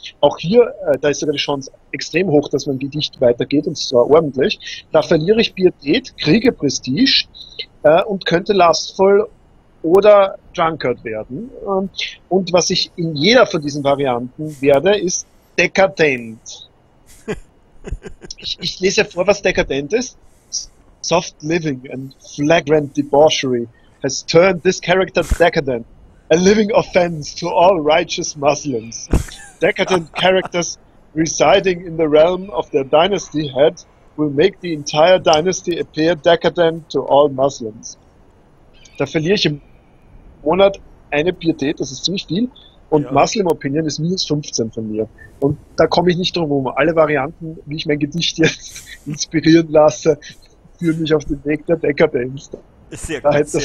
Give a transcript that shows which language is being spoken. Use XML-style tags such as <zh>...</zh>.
<de>Auch hier, da ist sogar die Chance extrem hoch, dass mein Gedicht weitergeht und zwar ordentlich. Da verliere ich Pietät, kriege Prestige und könnte lastvoll oder Drunkard werden. Und was ich in jeder von diesen Varianten werde, ist dekadent. Ich lese vor, was dekadent ist.</de> <en>Soft living and flagrant debauchery has turned this character decadent, a living offense to all righteous Muslims. Decadent characters residing in the realm of their dynasty head will make the entire dynasty appear decadent to all Muslims.</en> <de>Da verliere ich im Monat eine Pietät, das ist ziemlich viel, und Ja. Muslim Opinion ist minus 15 von mir. Und da komme ich nicht drum herum. Alle Varianten, wie ich mein Gedicht jetzt inspirieren lasse, führen mich auf den Weg der Dekadenz. Sehr Da hätte, das</de>